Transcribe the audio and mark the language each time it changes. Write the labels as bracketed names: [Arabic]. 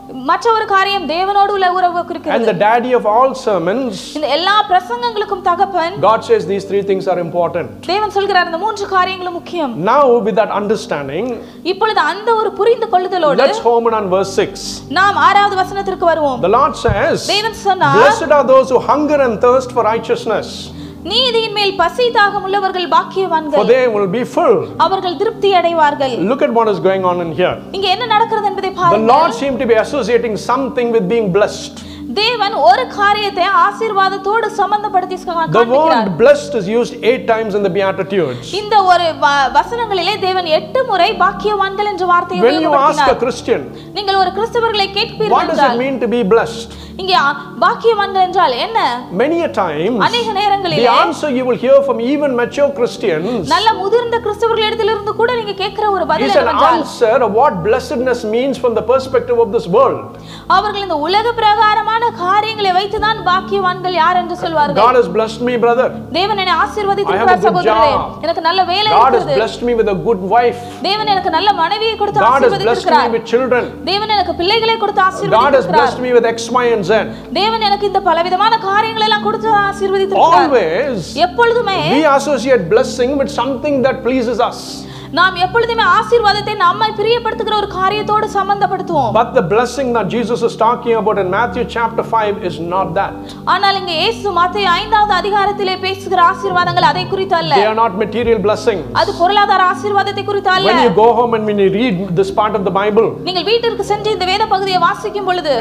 [Tamil] மற்றொரு காரியம் தேவனோடு உள்ள உறவு குறிக்கிறது. [English] And the daddy of all sermons. [Tamil] இந்த எல்லா பிரசங்கங்களுக்கும் தகப்பன். [English] God says these 3 things are important. [Tamil] தேவன் சொல்கிறார் இந்த மூன்று காரியங்களும் முக்கியம். [English] Now with that understanding. [Tamil] இப்பொழுது அந்த ஒரு புரிந்துகொள்ளுதலோடு. [English] Let's home in on verse 6. [Tamil] நாம் ஆறாவது வசனத்திற்கு வருவோம். [English] The Lord says. [Tamil] தேவன் சொன்னார். [English] Blessed are those who hunger and thirst for righteousness. [Tamil] நீதியின் மேல் பசி தாகம் உள்ளவர்கள் பாக்கியவான்கள். [English] For they will be full. [Tamil] அவர்கள் திருப்தி அடைவார்கள். [English] Look at what is going on in here. [Tamil] இங்க என்ன நடக்கிறது என்பதை பாருங்கள். [English] The Lord seemed to be associating something with being blessed. [Tamil] தேவன் ஒரு காரியத்தை ஆசீர்வாதத்தோடு சம்பந்தப்படுத்தி [English] The word blessed is used 8 times in the Beatitudes. [Tamil] இந்த ஒரு வசனங்களிலே தேவன் 8 முறை பாக்கியவான்கள் என்ற வார்த்தையை உபயோகிக்கிறார். [English] When you ask a Christian, [Tamil] நீங்கள் ஒரு கிறிஸ்தவர்களை கேட்பீர்கள் [English] What does it mean to be blessed? [Tamil] இங்கே பாக்கியவான்கள் என்றால் என்ன? [English] Many a times, [Tamil] அநேக நேரங்களிலே [English] the answer you will hear from even mature Christians. [Tamil] நல்ல முதிர்ந்த கிறிஸ்தவர்களிடத்திலிருந்து கூட நீங்க கேட்கிற ஒரு பதில் என்னவென்றால் [English] It's an answer of what blessedness means from the perspective of this world. [Tamil] அவர்கள் இந்த உலக பிரகாரமான காரியங்களை வைத்து தான் பாக்கியவான்கள் யார் என்று சொல்வார்கள். [English] Blessed me, brother. [Tamil] தேவன் என்னை ஆசீர்வதித்திருக்கிறார் சகோதரரே. எனக்கு நல்ல வேலை இருக்கிறது. [English] God has blessed me with a good wife. [Tamil] தேவன் எனக்கு நல்ல மனைவியை கொடுத்து ஆசீர்வதித்திருக்கிறார். [English] God has blessed me with children. [Tamil] தேவன் எனக்கு பிள்ளைகளை கொடுத்து ஆசீர்வதித்திருக்கிறார். [English] God has blessed me with X, Y, and Z. [Tamil] தேவன் எனக்கு இந்த பலவிதமான காரியங்களை எல்லாம் கொடுத்து ஆசீர்வதித்திருக்கிறார். [English] Always. [Tamil] எப்பொழுதுமே [English] we associate blessing with something that pleases us. [Tamil] நாம் எப்பொழுதுமே ஆசீர்வாதத்தை நம்மை பிரியப்படுத்துகிற ஒரு காரியத்தோடு சம்பந்தப்படுத்துவோம். [English] But the blessing that Jesus is talking about in Matthew chapter 5 is not that. [Tamil] ஆனால் இங்கே இயேசு மத்தேயு 5வது அதிகாரத்திலே பேசுகிற ஆசீர்வாதங்கள் அதை குறித்து அல்ல. [English] They are not material blessings. [Tamil] அது பொருளாதார ஆசீர்வாதத்தை குறித்து அல்ல. [English] When you go home and when you read this part of the Bible. [Tamil] நீங்கள் வீட்டிற்கு சென்று இந்த வேத பகுதியை வாசிக்கும் பொழுது.